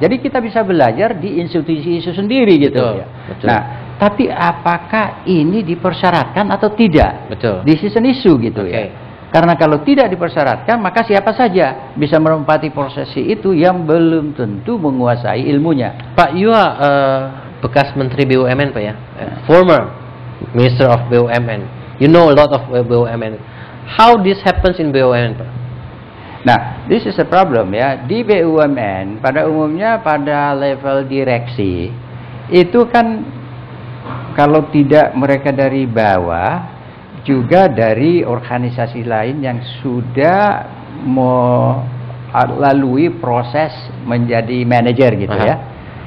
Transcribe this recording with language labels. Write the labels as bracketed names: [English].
[Indonesian] Jadi kita bisa belajar di institusi itu sendiri gitu. Betul. Ya. Betul. Nah, tapi apakah ini dipersyaratkan atau tidak? Betul. [English] Decision issue [Indonesian] gitu ya. Karena kalau tidak dipersyaratkan, maka siapa saja bisa menempati prosesi itu yang belum tentu menguasai ilmunya. Pak Yua, bekas Menteri BUMN Pak ya? [English] Former Minister of BUMN. You know a lot of BUMN. How this happens in BUMN Pak? Nah, this is a problem ya. [Indonesian] Di BUMN, pada umumnya pada level direksi, itu kan kalau tidak mereka dari bawah, juga dari organisasi lain yang sudah melalui proses menjadi manajer gitu. Aha. Ya.